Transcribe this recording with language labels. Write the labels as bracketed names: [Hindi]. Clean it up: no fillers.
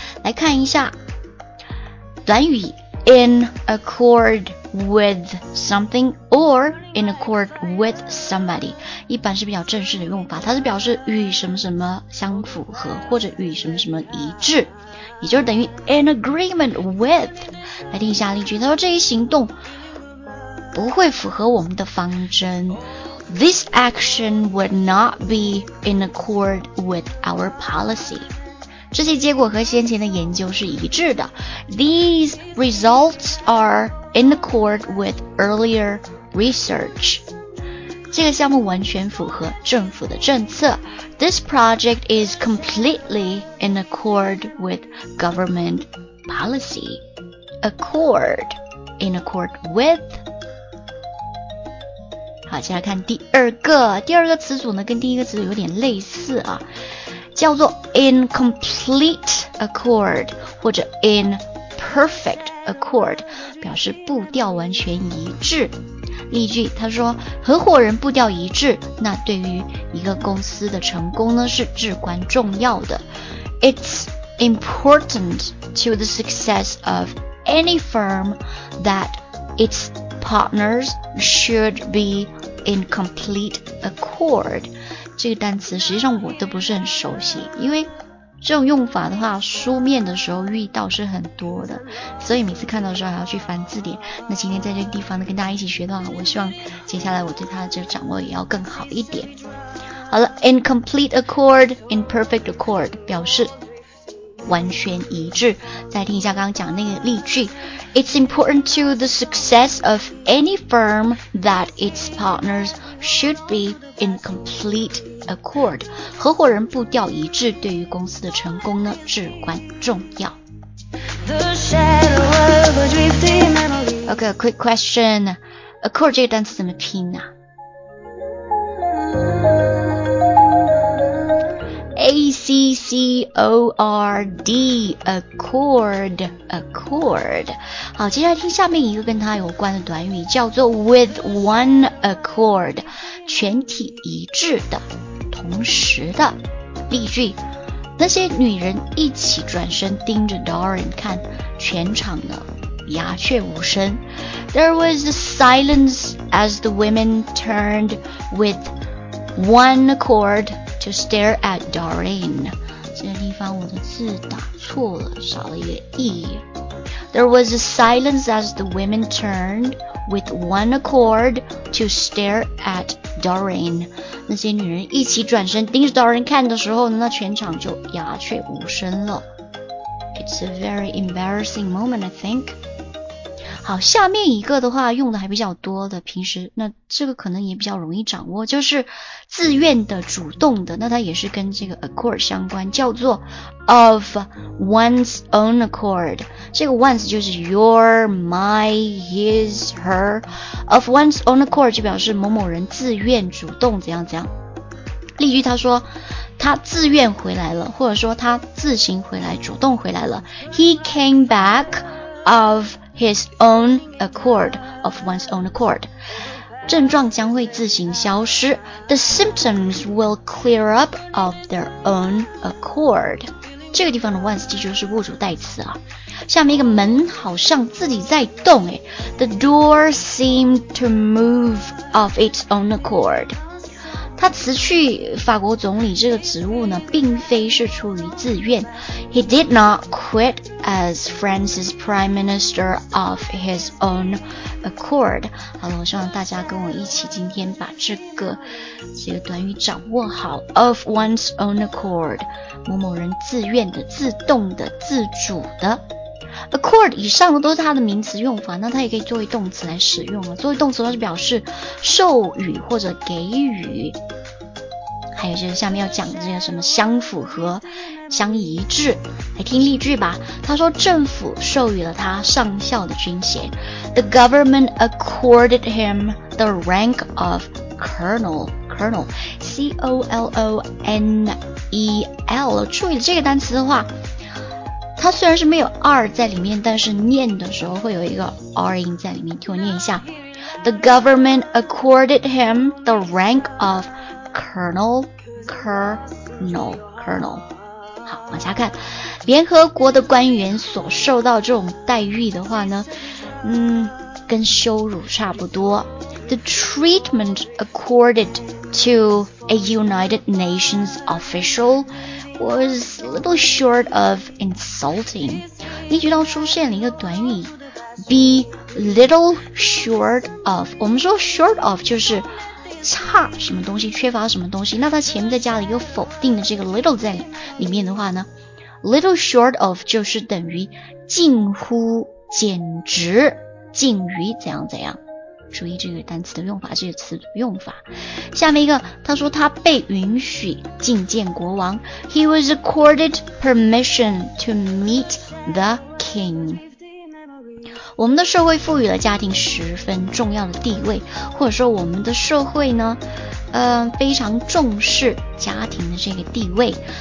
[Chinese] 来看一下短语 in accord with something or in accord with somebody， 一般是比较正式的用法，它是表示与什么什么相符合或者与什么什么一致，也就是等于 in agreement with。来听一下例句，他说这一行动不会符合我们的方针。 [English] This action would not be in accord with our policy。 [Chinese] 这些结果和先前的研究是一致的。 [English] These results are in accord with earlier research. [Chinese] 这个项目完全符合政府的政策。 [English] This project is completely in accord with government policy. Accord, in accord with。 [Chinese] 好，接下来看第二个，第二个词组呢跟第一个词组有点类似啊，叫做 in complete accord 或者 in perfect accord， 表示步调完全一致。例句，他说合伙人步调一致，那对于一个公司的成功呢是至关重要的。 [English] It's important to the success of any firm that its partners should be in complete accord。 [Chinese] 这个单词实际上我都不是很熟悉，因为这种用法的话，书面的时候遇到是很多的，所以每次看到的时候还要去翻字典。那今天在这个地方呢，跟大家一起学的话，我希望接下来我对它的这个掌握也要更好一点。好了 ，incomplete accord, imperfect accord 表示完全一致。再听一下刚刚讲的那个例句 [English] ，It's important to the success of any firm that its partners should be in complete accord. [Chinese] 合伙人步调一致，对于公司的成功呢至关重要。 [English] Okay, quick question. [Chinese] Accord 这个单词怎么拼啊？ [English] A-C-C-O-R-D, accord, accord. [Chinese] 好，接下来听下面一个跟它有关的短语，叫做 with one accord, 全体一致的，同时的。例句，那些女人一起转身盯着 Doran 看，全场呢鸦雀无声。 [English] There was a silence as the women turned with one accord. To stare at Doreen. [Chinese] 这个地方我的字打错了，少了一个 E. [English] There was a silence as the women turned with one accord to stare at Doreen. [Chinese] 那些女人一起转身盯着 Doreen 看的时候呢，那全场就鸦雀无声了。 [English] It's a very embarrassing moment, I think. [Chinese] 好，下面一个的话用的还比较多的，平时那这个可能也比较容易掌握，就是自愿的、主动的，那它也是跟这个 accord 相关，叫做 of one's own accord。这个 one's 就是 your, my, his, her, of one's own accord 就表示某某人自愿、主动怎样怎样。例句，他说他自愿回来了，或者说他自行回来、主动回来了。 [English] He came back of His own accord, of one's own accord. [Chinese] 症状将会自行消失。 [English] The symptoms will clear up of their own accord. [Chinese] 这个地方的 once 记住是物主代词啊。下面一个门好像自己在动诶。 [English] The door seemed to move of its own accord. [Chinese] 他辞去法国总理这个职务呢，并非是出于自愿。 [English] He did not quit. As France's Prime Minister of his own accord. [Chinese] 好了，我希望大家跟我一起今天把这个短语掌握好。 [English] Of one's own accord. [Chinese] 某某人自愿的、自动的、自主的。 Accord 以上的都是它的名词用法，那它也可以作为动词来使用了。作为动词，它是表示授予或者给予。还有就是下面要讲的这个什么相符合、相一致，来听例句吧。他说政府授予了他上校的军衔。 [English] The government accorded him the rank of colonel. Colonel, C-O-L-O-N-E-L. [Chinese] 注意这个单词的话，它虽然是没有 R 在里面，但是念的时候会有一个 R 音在里面。听我念一下。 [English] The government accorded him the rank of colonel, colonel, colonel. [Chinese] 好，往下看，联合国的官员所受到这种待遇的话呢，跟羞辱差不多。 [English] The treatment accorded to a United Nations official was a little short of insulting. [Chinese] 例句当中出现了一个短语 be little short of. 我们说 short of 就是差什么东西，缺乏什么东西，那它前面再加了一个否定的这个 little 在里面的话呢， little short of 就是等于近乎、简直、近于怎样怎样。注意这个单词的用法，这个词的用法。下面一个，他说他被允许觐见国王。 [English] He was accorded permission to meet the king. [Chinese] 我们的社会赋予了家庭十分重要的地位，或者说我们的社会呢，非常重视家庭的这个地位。